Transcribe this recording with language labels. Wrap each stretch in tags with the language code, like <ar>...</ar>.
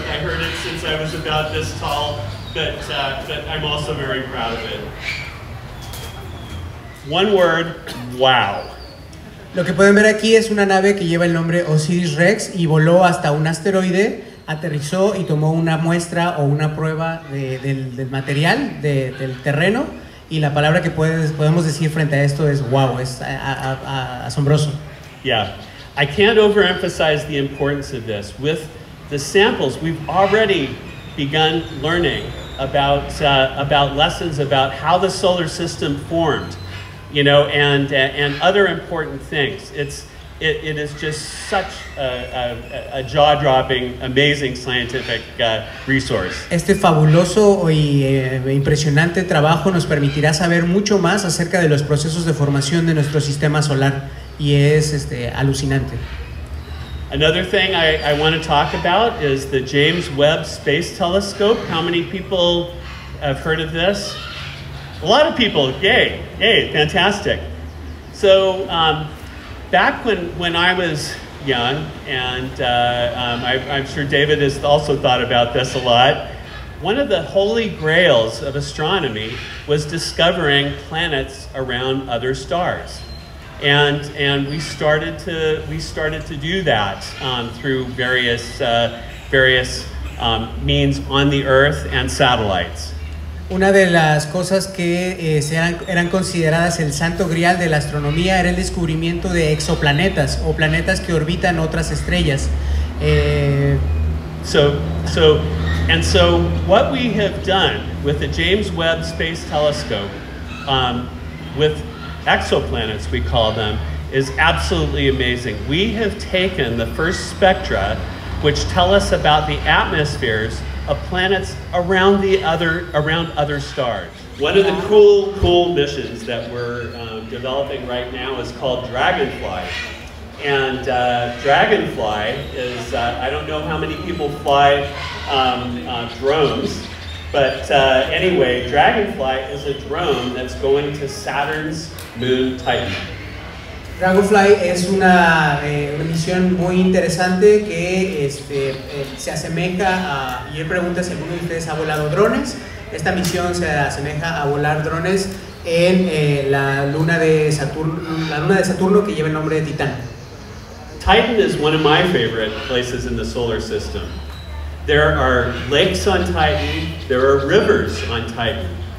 <en>I heard it since I was about this tall, but I'm also very proud of it. One word. Wow.</en> <es>Lo que pueden ver aquí es una nave que lleva el nombre Osiris-Rex y voló hasta un asteroide, aterrizó y tomó una muestra o una prueba del material, del terreno, y la palabra que podemos decir frente a esto es wow, es asombroso.</es> <en>Yeah, I can't overemphasize the importance of this. With the samples, we've already begun learning about lessons about how the solar system formed. And other important things. It is just such a jaw-dropping, amazing scientific resource.</en> <es>Este fabuloso y impresionante trabajo nos permitirá saber mucho más acerca de los procesos de formación de nuestro sistema solar, y es alucinante.</es> <en>Another thing I want to talk about is the James Webb Space Telescope. How many people have heard of this? A lot of people, yay, fantastic. So back when I was young, and I'm sure David has also thought about this a lot, one of the holy grails of astronomy was discovering planets around other stars. And we started to do that through various means on the Earth and satellites.</en> <es>Una de las cosas que eran consideradas el santo grial de la astronomía era el descubrimiento de exoplanetas o planetas que orbitan otras estrellas.</es> <en>So what we have done with the James Webb Space Telescope, with exoplanets we call them, is absolutely amazing. We have taken the first spectra which tell us about the atmospheres of planets around other stars. One of the cool missions that we're developing right now is called Dragonfly. And Dragonfly is, I don't know how many people fly drones, but anyway, Dragonfly is a drone that's going to Saturn's moon Titan.</en> <es>Dragonfly es una misión muy interesante que se asemeja a, y él pregunta si alguno de ustedes ha volado drones, Esta misión se asemeja a volar drones en la luna de Saturno, que lleva el nombre de Titán.</es> <en>Titan is one of my favorite places in the solar system. There are lakes on Titan, there are rivers on Titan.</en>